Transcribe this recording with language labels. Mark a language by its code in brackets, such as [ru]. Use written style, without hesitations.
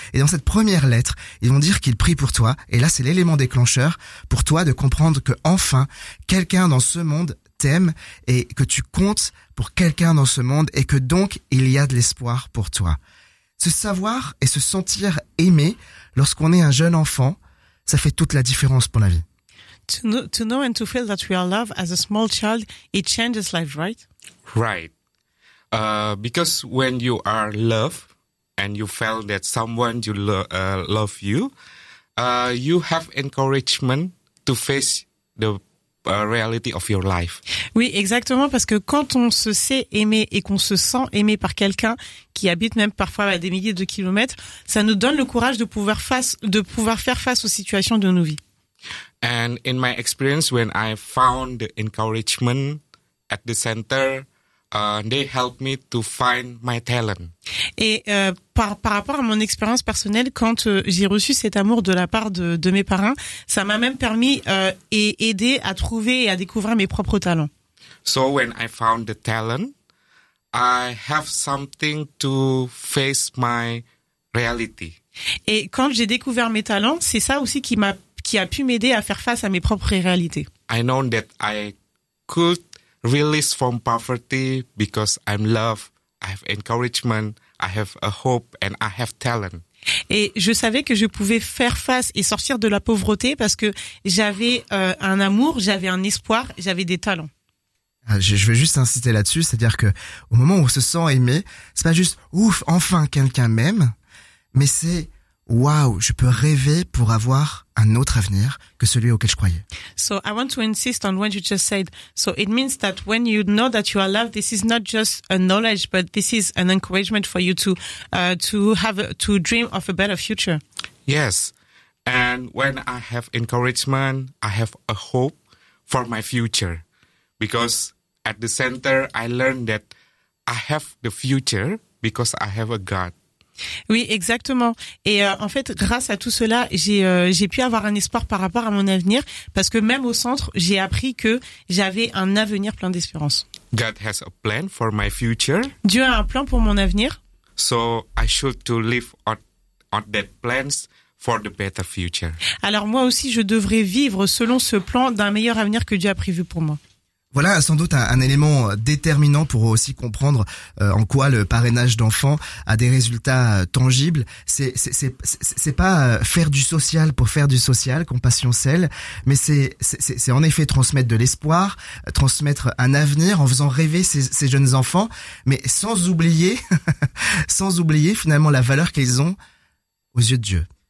[fr] Et dans cette première lettre, ils vont dire qu'ils prient pour toi. Et là, c'est l'élément déclencheur pour toi de comprendre que enfin, quelqu'un dans ce monde t'aimes et que tu comptes pour quelqu'un dans ce monde et que donc il y a de l'espoir pour toi. Se savoir et se sentir aimé lorsqu'on est un jeune enfant, ça fait toute la différence pour la vie. [en] To know and to feel that we are loved as a small child, it changes life, right? Right. Because when you are loved and you felt that someone you love you, you have encouragement to face the reality of your life. [fr] Oui, exactement, parce que quand on se sait aimé et qu'on se sent aimé par quelqu'un qui habite même parfois à des milliers de kilomètres, ça nous donne le courage de pouvoir faire face aux situations de nos vies. [en] And in my experience, when I found the encouragement at the center, they helped me to find my talent. [fr] Et par rapport à mon expérience personnelle, quand j'ai reçu cet amour de la part de mes parrains, ça m'a même permis et aidé à trouver et à découvrir mes propres talents. [en] So when I found the talent, I have something to face my reality. [fr] Et quand j'ai découvert mes talents, c'est ça aussi qui a pu m'aider à faire face à mes propres réalités. [en] I know that I could release from poverty because I'm loved, I have encouragement, I have a hope and I have talent. [fr] Et je savais que je pouvais faire face et sortir de la pauvreté parce que j'avais un amour, j'avais un espoir, j'avais des talents. Je veux juste insister là-dessus, c'est-à-dire que au moment où on se sent aimé, c'est pas juste ouf, enfin quelqu'un m'aime, mais c'est waouh, je peux rêver pour avoir un autre avenir que celui auquel je croyais. [en] So I want to insist on what you just said. So it means that when you know that you are loved, this is not just a knowledge, but this is an encouragement for you to dream of a better future. Yes, and when I have encouragement, I have a hope for my future, because at the center I learned that I have the future because I have a God. [fr] Oui, exactement. Et en fait, grâce à tout cela, j'ai pu avoir un espoir par rapport à mon avenir, parce que même au centre, j'ai appris que j'avais un avenir plein d'espérance. [en] God has a plan for my future. [fr] Dieu a un plan pour mon avenir. [en] So I should to live on that plans for the better future. [fr] Alors moi aussi, je devrais vivre selon ce plan d'un meilleur avenir que Dieu a prévu pour moi. Voilà sans doute un élément déterminant pour aussi comprendre en quoi le parrainage d'enfants a des résultats tangibles. C'est pas faire du social pour faire du social, compassion celle, mais c'est en effet transmettre de l'espoir, transmettre un avenir en faisant rêver ces jeunes enfants, mais sans oublier sans oublier finalement la valeur qu'ils ont aux yeux de Dieu.